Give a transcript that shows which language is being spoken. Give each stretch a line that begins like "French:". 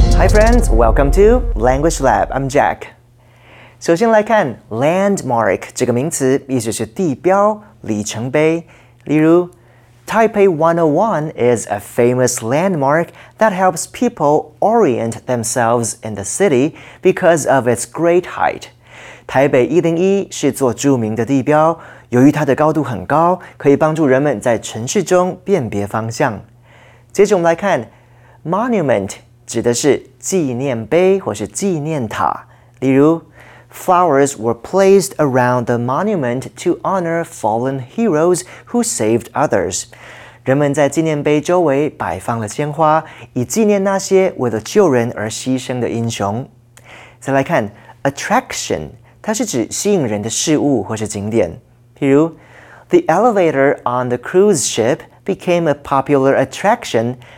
English: Friends, welcome to Language Lab. I'm Jack.
Chinese: 首先来看 landmark 这个名词，意思是地标、里程碑。例如
English: ，Taipei 101 is a famous landmark that helps people orient themselves in the city because of its great height.
Chinese: 台北101是座著名的地标，由于它的高度很高，可以帮助人们在城市中辨别方向。接着我们来看 monument。指的是纪念碑或是纪念塔，例如
English: ，Flowers were placed around the monument to honor fallen heroes who saved others.
Chinese: 人们在纪念碑周围摆放了鲜花，以纪念那些为了救人而牺牲的英雄。再来看 attraction， 它是指吸引人的事物或是景点，譬如 ，
English: The elevator on the cruise ship became a popular attraction.